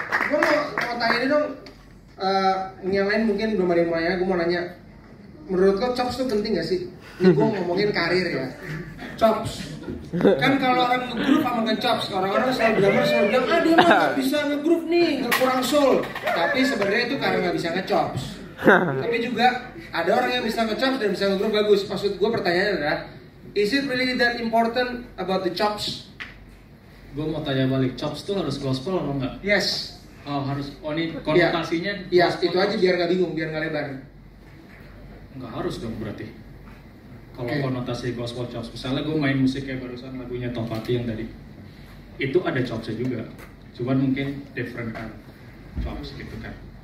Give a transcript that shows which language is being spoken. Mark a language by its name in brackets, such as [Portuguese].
[Indonesian] Gue mau tanya ini dong, yang lain mungkin belum ada yang mau nanya, gue mau nanya, menurut lo chops tuh penting gak sih? Ini gue ngomongin karir ya. Chops. Kan kalau orang nge-group sama nge-chops, orang-orang selalu bilang, ah dia mah gak bisa nge-group nih, kurang soul. Tapi sebenarnya itu karena gak bisa nge-chops. Tapi juga, ada orang yang bisa nge-chops dan bisa nge-group bagus. Maksud gue pertanyaannya adalah, [English] is it really that important about the chops? [Indonesian] Gue mau tanya balik, chops tuh harus gospel atau enggak? [English] Yes. [Indonesian] Oh harus, oh ini konotasinya? Iya, yeah. Yeah, itu aja biar gak bingung, biar gak lebar. Gak harus dong berarti. Kalau konotasi gospel chops, misalnya gue main musik kayak barusan lagunya Tom Petty yang dari itu ada chopsnya juga, cuman mungkin different kan chops gitu kan.